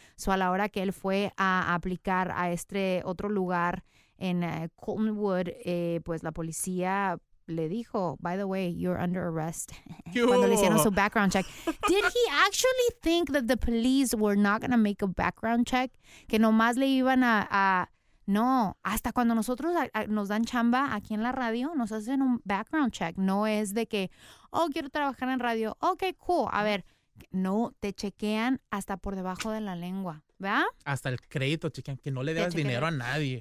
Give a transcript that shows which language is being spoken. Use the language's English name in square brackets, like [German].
[Spanish] So a la hora que él fue a aplicar a este otro lugar en Coltonwood, pues la policía le dijo, [English] by the way, you're under arrest. [Spanish] Cuando le hicieron su background check. [English] Did he actually think that the police were not going to make a background check? [Spanish] Que nomás le iban a no, hasta cuando nosotros nos dan chamba aquí en la radio, nos hacen un background check. No es de que, oh, quiero trabajar en radio. [English] Okay, cool. [Spanish] A ver, no, te chequean hasta por debajo de la lengua, ¿verdad? Hasta el crédito chequean, que no le debas dinero a nadie.